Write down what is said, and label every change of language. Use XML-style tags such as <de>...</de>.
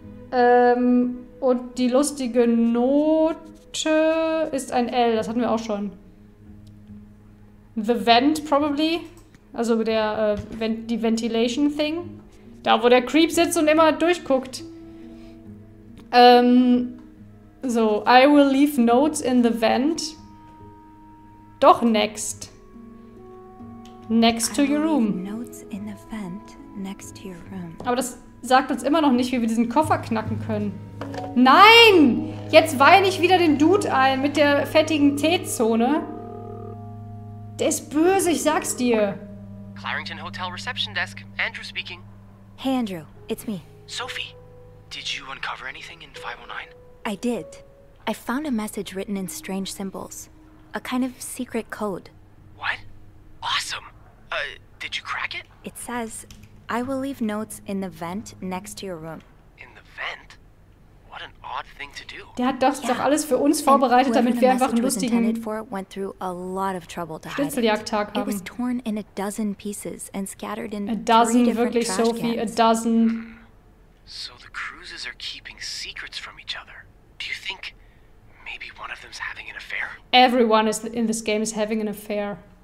<de>Und die lustige Note ist ein L. Das hatten wir auch schon.</de> <en>The vent, probably.</en> <de>Also der die Ventilation</de> <en>Thing.</en> <de>Da, wo der Creep sitzt und immer durchguckt.</de> <en>So, I will leave notes in the vent. Doch, next. Next to your room. Notes in the vent, next to your room.</en> <de>Aber das sagt uns immer noch nicht, wie wir diesen Koffer knacken können. Nein! Jetzt weine ich wieder den Dude ein mit der fettigen T-Zone. Der ist böse, ich sag's dir.</de> <en>Clarington Hotel Reception Desk. Andrew speaking. Hey, Andrew. It's me. Sophie, did you uncover anything in 509? I did. I found a message written in strange symbols. A kind of secret code. What? Awesome! Did you crack it? It says, I will leave notes in the vent next to your room. In the vent? What an odd thing to do.</en> <de>Der hat das doch alles für uns vorbereitet, damit wir einfach einen lustigen Schnitzeljagdtag haben.</de> <en>It was torn in a dozen pieces and scattered in a dozen, wirklich, Sophie, a dozen. So the Cruises are keeping secrets from each other. Do you think maybe one of them's having an affair? Everyone is in this game is having an affair.</en>